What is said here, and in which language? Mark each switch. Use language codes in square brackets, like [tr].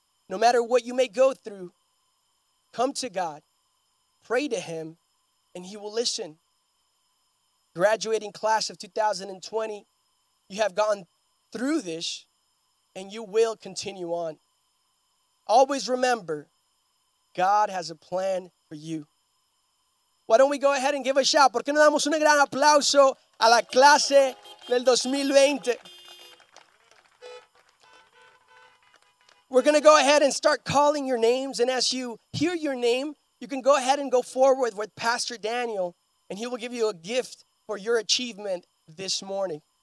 [en] No matter what you may go through, come to God, pray to Him, and He will listen. Graduating class of 2020, you have gone through this, and you will continue on. Always remember, God has a plan for you. Why don't we go ahead and give a shout? [es] ¿Por qué no damos un gran aplauso a la clase del 2020? [en] We're going to go ahead and start calling your names. And as you hear your name, you can go ahead and go forward with Pastor Daniel, and he will give you a gift for your achievement this morning.